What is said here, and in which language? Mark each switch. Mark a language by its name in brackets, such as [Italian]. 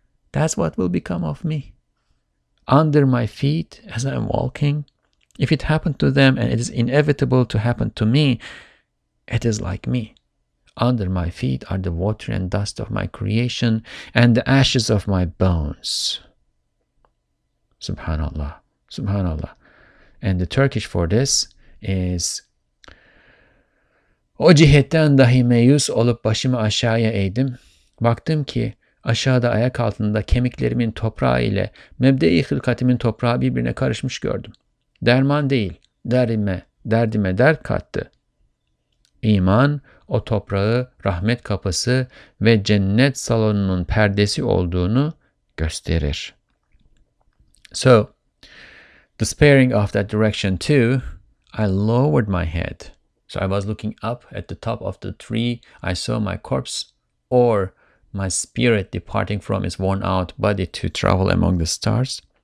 [English] That's what will become of me. Under my feet, as I'm walking, if it happened to them and it is inevitable to happen to me, it is like me. Under my feet are the water and dust of my creation and the ashes of my bones. [Arabic] Subhanallah, subhanallah. [English] And the Turkish for this is [Turkish] O cihetten dahi meyus olup başımı aşağıya eğdim. Baktım ki aşağıda ayak altında kemiklerimin toprağı ile mebde-i hılkatimin toprağı birbirine karışmış gördüm. Derman değil, derdime dert kattı. İman o toprağı rahmet kapısı ve cennet salonunun perdesi olduğunu gösterir. [English] So, despairing of that direction too, I lowered my head. So I was looking up at the top of the tree. I saw my corpse or my spirit departing from its worn out body to travel among the stars.